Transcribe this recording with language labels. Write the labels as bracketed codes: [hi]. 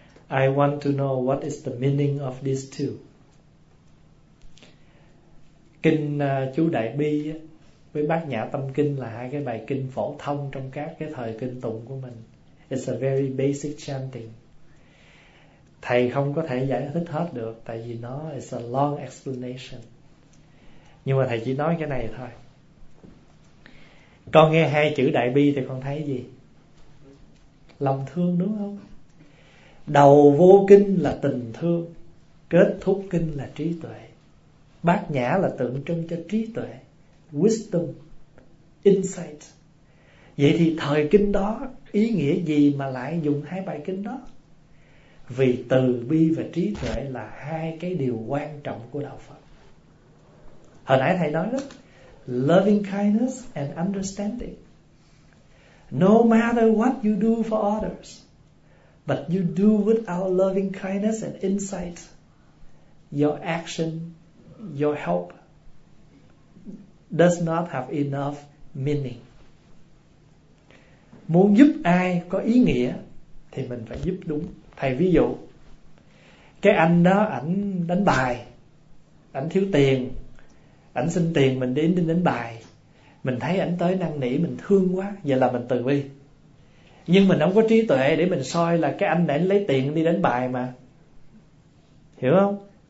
[en] I want to know what is the meaning of these two. [vi] Kinh Chú Đại Bi với Bát Nhã Tâm Kinh là hai cái bài kinh phổ thông trong các cái thời kinh tụng của mình. [en] It's a very basic chanting. [vi] Thầy không có thể giải thích hết được, tại vì nó [en] is a long explanation. [vi] Nhưng mà thầy chỉ nói cái này thôi. Con nghe hai chữ Đại Bi thì con thấy gì? Lòng thương, đúng không? Đầu vô kinh là tình thương, kết thúc kinh là trí tuệ. Bát Nhã là tượng trưng cho trí tuệ, [en] wisdom, insight. [vi] Vậy thì thời kinh đó ý nghĩa gì mà lại dùng hai bài kinh đó? Vì từ bi và trí tuệ là hai cái điều quan trọng của Đạo Phật. Hồi nãy thầy nói đó, [en] loving kindness and understanding. No matter what you do for others, but you do without loving kindness and insight, your action, your help does not have enough meaning. [vi] Muốn giúp ai có ý nghĩa thì mình phải giúp đúng. Thầy ví dụ, cái anh đó ảnh đánh bài, ảnh thiếu tiền, ảnh xin tiền mình đến đi đánh bài. Mình thấy ảnh tới năn nỉ, mình thương quá, vậy là mình từ bi. Nhưng mình không có trí tuệ để mình soi là cái anh này lấy tiền đi đánh bài mà. Hiểu không?